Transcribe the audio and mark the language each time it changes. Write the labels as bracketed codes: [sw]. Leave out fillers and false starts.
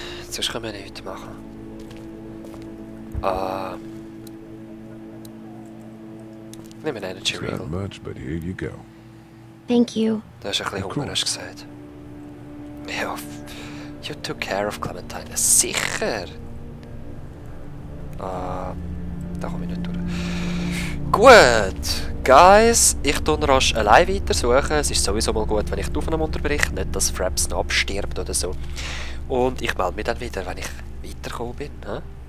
[de] Sonst können wir nichts machen. Nimm einen Energy Reel. [en] Not much, but here you go. Thank you. [de] Du hast ein bisschen Hunger, cool. Hast du gesagt. [en] Ja, you took care of Clementine. [de] Sicher! Da komme ich nicht durch. Gut! Guys, ich tue rasch allein weiter suchen. Es ist sowieso mal gut, wenn ich die Aufnahme unterbreche. Nicht, dass Fraps noch abstirbt oder so. Und ich melde mich dann wieder, wenn ich weitergekommen bin. Hm?